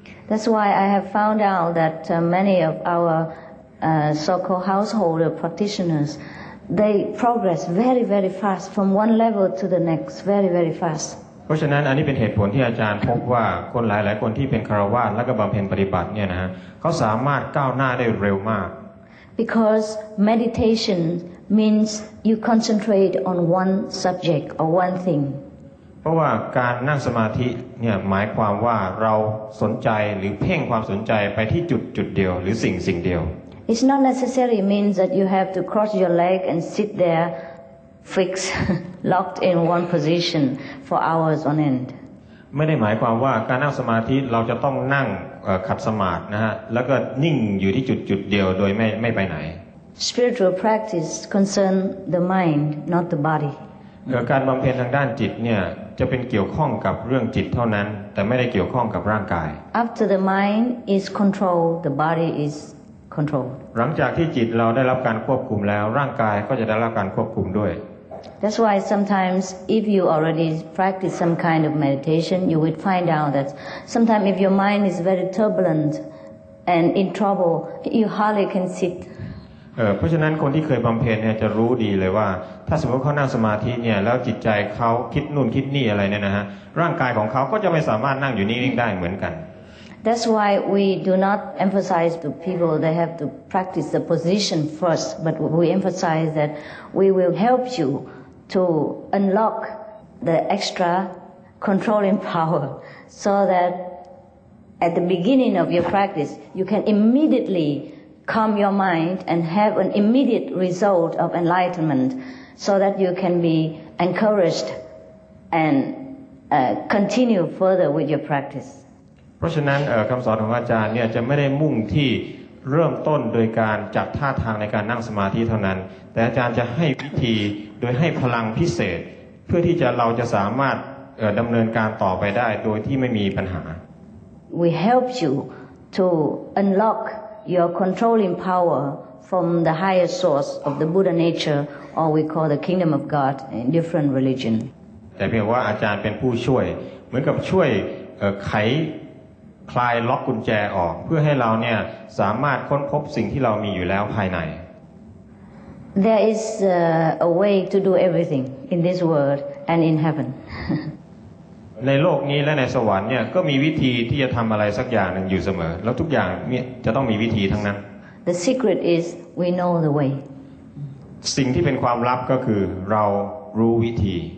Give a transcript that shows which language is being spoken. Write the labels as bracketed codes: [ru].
[en] That's why I have found out that many of our so-called household practitioners. They progress very very fast from one level to the next very very fast. [th] เพราะฉะนั้นอันนี้เป็นเหตุผลที่อาจารย์พบว่าคนหลายหลายคนที่เป็นคารวาสและก็บำเพ็ญปฏิบัติเนี่ยนะฮะเขาสามารถก้าวหน้าได้เร็วมาก [en] Because meditation means you concentrate on one subject or one thing. [th] เพราะว่าการนั่งสมาธิเนี่ยหมายความว่าเราสนใจหรือเพ่งความสนใจไปที่จุดเดียวหรือสิ่งเดียว [en] It's not necessary means that you have to cross your leg and sit there fixed locked in one position for hours on end [th] ไม่ได้หมายความว่าการนั่งสมาธิเราจะต้องนั่งขัดสมาธินะฮะแล้วก็นิ่งอยู่ที่จุดเดียวโดยไม่ไปไหน [en] Spiritual practice concern the mind not the body [th] การบําเพ็ญทางด้านจิตเนี่ยจะเป็นเกี่ยวข้องกับเรื่องจิตเท่านั้นแต่ไม่ได้เกี่ยวข้องกับร่างกาย [en] After the mind is controlled the body is [th] หลังจากที่จิตเราได้รับการควบคุมแล้วร่างกายก็จะได้รับการควบคุมด้วย [en] That's why sometimes if you already practice some kind of meditation you would find out that sometimes if your mind is very turbulent and in trouble you hardly can sit [th] เพราะฉะนั้นคนที่เคยบำเพ็ญเนี่ยจะรู้ดีเลยว่าถ้าสมมติเขานั่งสมาธิเนี่ยแล้วจิตใจเขาคิดนู่นคิดนี่อะไรเนี่ยนะฮะร่างกายของเขาก็จะไม่สามารถนั่งอยู่นิ่งได้เหมือนกัน [en] That's why we do not emphasize to people they have to practice the position first but we emphasize that we will help you to unlock the extra controlling power so that at the beginning of your practice you can immediatelycalm your mind and have an immediate result of enlightenment so that you can be encouraged and continue further with your practice [th] เพราะฉะนั้นคําสอนของอาจารย์เนี่ยจะไม่ได้มุ่งที่เริ่มต้นโดยการจัดท่าทางในการนั่งสมาธิเท่านั้นแต่อาจารย์จะให้วิธีโดยให้พลังพิเศษเพื่อที่จะเราจะสามารถดําเนินการต่อไปได้โดยที่ไม่มีปัญหา [en] We help you to unlockyour controlling power from the higher source of the Buddha nature or we call the kingdom of God in different religion [th] แต่เพียงว่าอาจารย์เป็นผู้ช่วยเหมือนกับช่วยไขคลายล็อกกุญแจออกเพื่อให้เราเนี่ยสามารถค้นพบสิ่งที่เรามีอยู่แล้วภายใน [en] There is a way to do everything in this world and in heaven [th] ในโลกนี้และในสวรรค์เนี่ยก็มีวิธีที่จะทำอะไรสักอย่างนึงอยู่เสมอแล้วทุกอย่างเนี่ยจะต้องมีวิธีทั้งนั้น [en] The secret is we know the way [th] สิ่งที่เป็นความลับก็คือเรารู้วิธี